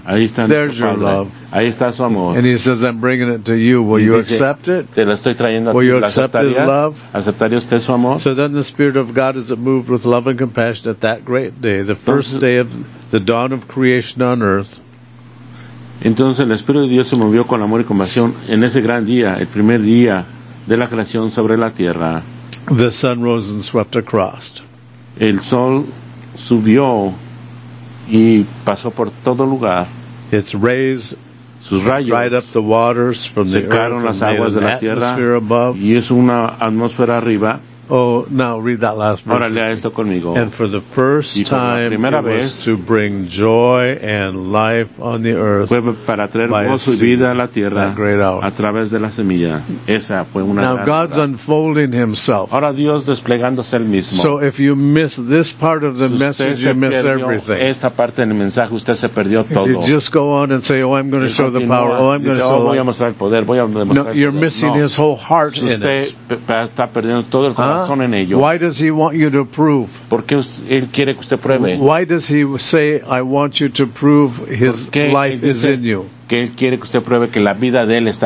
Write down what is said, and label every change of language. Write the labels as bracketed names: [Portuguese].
[Spanish] Ahí está [English] there's [Spanish] padre. [English] Your love. [Spanish] Ahí está su amor. [English] And he says, I'm bringing it to you. Will [Spanish] dice, [English] you accept it? [Spanish] Te lo estoy trayendo a [English] will [Spanish] ti. [English] You accept [Spanish] aceptaría? [English] His love? [Spanish] ¿Aceptaría usted su amor? [English] So then the Spirit of God is moved with love and compassion at that great day, the first day of the dawn of creation on earth. [Spanish] Entonces el Espíritu de Dios se movió con amor y compasión en ese gran día, el primer día de la creación sobre la tierra. [English] The sun rose and swept across. [Spanish] El sol subió y pasó por todo lugar. [English] Its rays [Spanish] sus rayos [English] dried up the waters from [Spanish] secaron [English] the earth [Spanish] las aguas [English] and [Spanish] de la tierra [English] above. [Spanish] Y es una atmósfera arriba [English] Oh, now read that last verse. [Spanish] Ahora lea esto conmigo. [English] And for the first time, it was to bring joy and life on the earth. [Spanish] Fue para traer gozo y vida a la tierra. A través de la semilla. Esa fue una. [English] Now God's unfolding Himself. [Spanish] Ahora Dios desplegándose el mismo. [English] So if you miss this part of the message, you miss everything. [Spanish] Esta parte del mensaje usted se perdió todo. [English] You just go on and say, "Oh, I'm going to show the power. Oh, I'm going to show." [Spanish] Voy a mostrar el poder. Voy a demostrar. [English] No, you're missing His whole heart in it. [Spanish] Usted está perdiendo todo el. [English] Why does he want you to prove? [Spanish] ¿Por qué él quiere que usted pruebe? [English] Why does he say, I want you to prove his life is in you? [Spanish] Que él quiere que usted pruebe que la vida de él está